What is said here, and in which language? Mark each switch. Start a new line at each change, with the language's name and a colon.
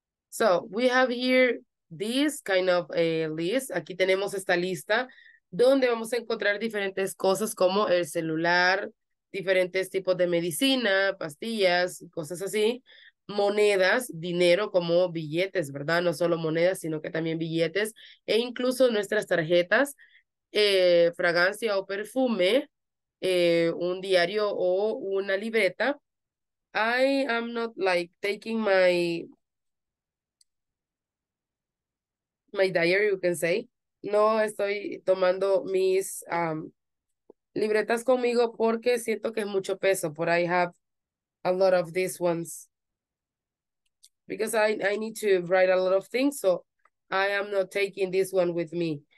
English: So we have here this kind of a list.
Spanish: Aquí tenemos esta lista donde vamos a encontrar diferentes cosas como el celular, diferentes tipos de medicina, pastillas, cosas así. Monedas, dinero como billetes, ¿verdad? No solo monedas, sino que también billetes. E incluso nuestras tarjetas, fragancia o perfume, un diario o una libreta.
English: I am not like taking my diary, you can say.
Spanish: No estoy tomando mis libretas conmigo porque siento que es mucho peso.
English: But I have a lot of these ones. Because I need to write a lot of things, so I am not taking this one with me.